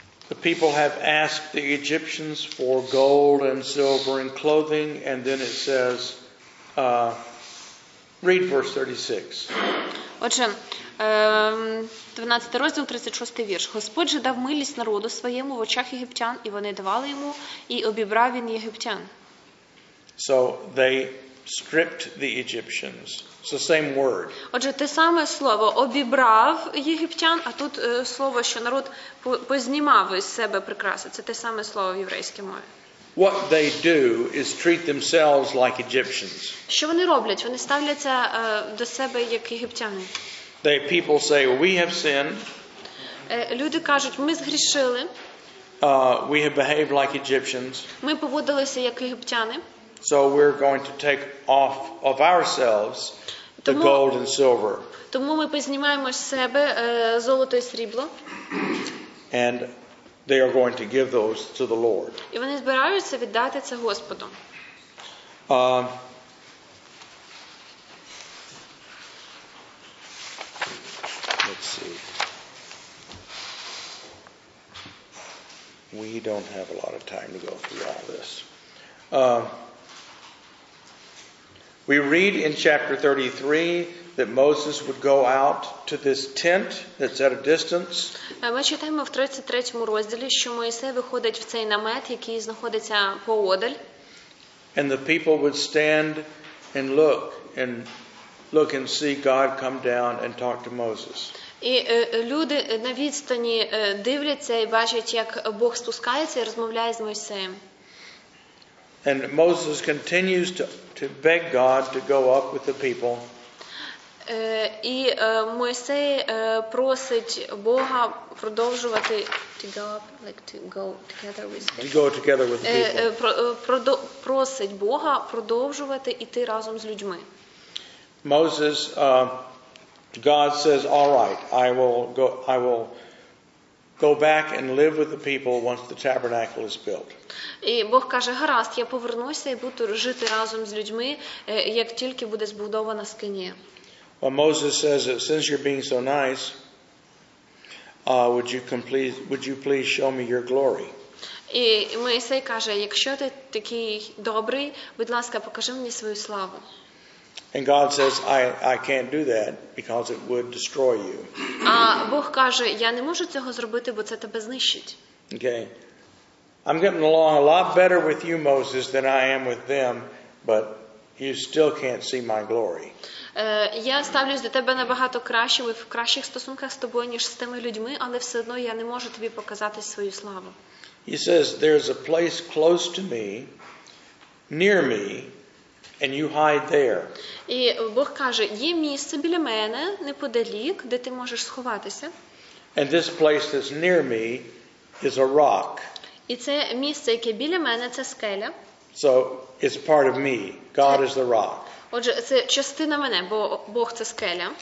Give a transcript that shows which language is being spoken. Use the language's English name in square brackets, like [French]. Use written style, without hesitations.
[English] The people have asked the Egyptians for gold and silver and clothing, and then it says, read verse 36. [Ukrainian] Отже, 12 розділ, 36 вірш. Господь же дав милість народу своєму в очах єгиптян, і вони давали йому, і обібрав він єгиптян. [English] So they stripped the Egyptians. It's the same word. [Ukrainian] Отже, те саме слово обібрав єгиптян, а тут слово, що народ познімав із себе прикраси. Це те саме слово в єврейській мові. [English] What they do is treat themselves like Egyptians. [Ukrainian] Що вони роблять? Вони ставляться до себе як єгиптяни. [English] They people say we have sinned. [Ukrainian] Люди кажуть, ми згрішили. [English] We have behaved like Egyptians. [Ukrainian] Ми поводилися як єгиптяни. [English] So we're going to take off of ourselves the gold and silver. [Ukrainian] Тому ми познімаємо з себе золото і срібло. [English] And they are going to give those to the Lord. [Ukrainian] І вони збираються віддати це Господу. [English] Let's see. We don't have a lot of time to go through all this. We read in chapter 33 that Moses would go out to this tent that's at a distance. [Ukrainian] Ми читаємо в 33-му розділі, що Мойсей виходить в цей намет, який знаходиться поодаль. [English] And the people would stand and look and look and see God come down and talk to Moses. [Ukrainian] І люди на відстані дивляться і бачать, як Бог спускається і розмовляє з Мойсеєм. [English] And Moses continues to beg God to go up with the people. [Ukrainian] І Мойсей просить Бога продовжувати [English] to go up, like to go together with people. To go together with the people. [Ukrainian] Просить Бога продовжувати іти разом з людьми. [English] Moses, God says, "All right, I will go back and live with the people once the tabernacle is built." [Ukrainian] І Бог каже: "Гаразд, я повернуся і буду жити разом з людьми, як тільки буде збудована скинія." [English] Well, Moses says that since you're being so nice, would you please show me your glory? [Ukrainian] І Мойсей каже: "Якщо ти такий добрий, будь ласка, покажи мені свою славу." [English] And God says, "I can't do that because it would destroy you." [Ukrainian] А Бог каже: "Я не можу цього зробити, бо це тебе знищить." [English] Okay. I'm getting along a lot better with you, Moses, than I am with them, but you still can't see my glory. [Ukrainian] Я ставлюсь до тебе набагато краще, ми в кращих стосунках з тобою, ніж з тими людьми, але все одно я не можу тобі показати свою славу. [English] He says, "There's a place close to me, near me, and you hide there." [Ukrainian] І Бог каже: "Є місце біля мене, неподалік, де ти можеш сховатися." [English] And this place that's near me is a rock. [Ukrainian] І це місце, яке біля мене, це скеля. [English] So it's part of me. God is the rock. [Ukrainian] Отже, це частина мене, бо Бог це скеля.